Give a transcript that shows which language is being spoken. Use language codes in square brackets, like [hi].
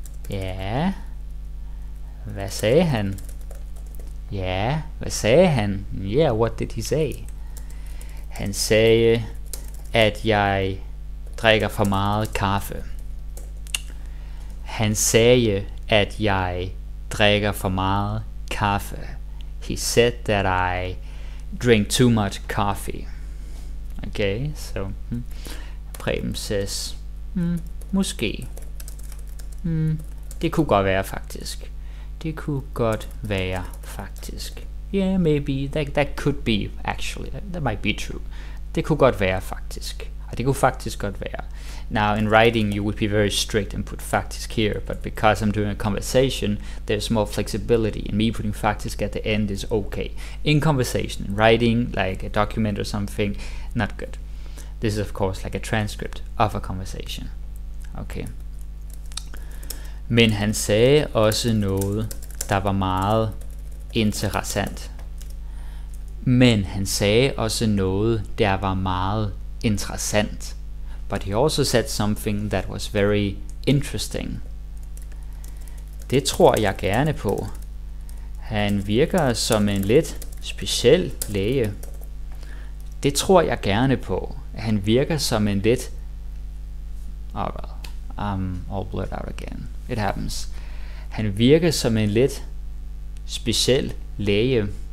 [da] Ja. Hvad sagde han? Ja. Hvad sagde han? [en] Yeah. What did he say? [da] Han sagde at jeg drikker for meget kaffe. Han sagde at jeg drikker for meget kaffe. [en] He said that I drink too much coffee. Okay, so Preben says, måske. [da] Det kunne godt være faktisk. Det kunne godt være faktisk. [en] Yeah, maybe. That could be, actually. That might be true. [da] Det kunne godt være faktisk. Og det kunne faktisk godt være. [en] Now, in writing, you would be very strict and put faktisk here, but because I'm doing a conversation, there's more flexibility, and me putting faktisk at the end is okay. In conversation, in writing, like a document or something, not good. This is, of course, like a transcript of a conversation. Okay. [da] Men han sagde også noget, der var meget interessant. Men han sagde også noget, der var meget interessant. [en] But he also said something that was very interesting. [da] Det tror jeg gerne på. Han virker som en lidt speciel læge. Det tror jeg gerne på. Han virker som en lidt... [en] Oh well, I'm all blurred out again. It happens. [da] Han virker som en lidt speciel læge.